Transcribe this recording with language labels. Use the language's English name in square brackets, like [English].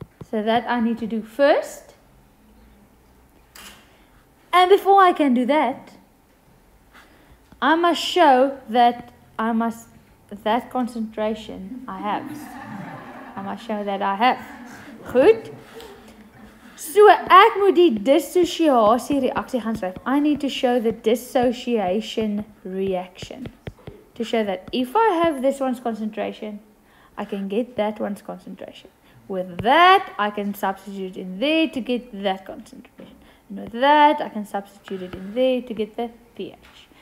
[English] So that I need to do first. And before I can do that, I must show that I must, that concentration I have. I must show that I have. Goed. [Afrikaans] So ek moet die dissociasie reaksie gaan skryf. [English] I need to show the dissociation reaction. To show that if I have this one's concentration, I can get that one's concentration. With that, I can substitute in there to get that concentration. With that, I can substitute it in there to get the pH.